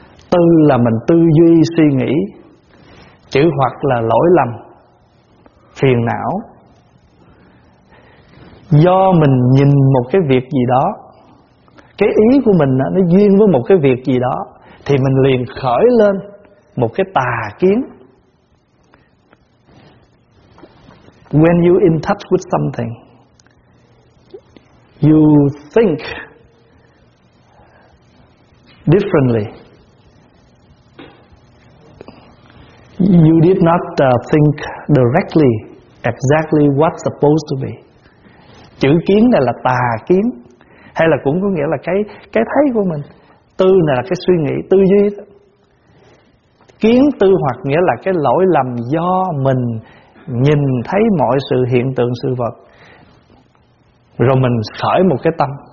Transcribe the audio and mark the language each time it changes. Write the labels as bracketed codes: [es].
[vi] Tư là mình tư duy suy nghĩ. Chữ hoặc là lỗi lầm, phiền não. Do mình nhìn một cái việc gì đó, cái ý của mình nó duyên với một cái việc gì đó, thì mình liền khởi lên một cái tà kiến. [en] When you in touch with something, you think differently. You did not think directly, exactly what's supposed to be. [vi] Chữ kiến này là tà kiến, hay là cũng có nghĩa là cái thấy của mình. Tư này là cái suy nghĩ, tư duy. Kiến tư hoặc nghĩa là cái lỗi lầm do mình nhìn thấy mọi sự hiện tượng sự vật, rồi mình khởi một cái tâm.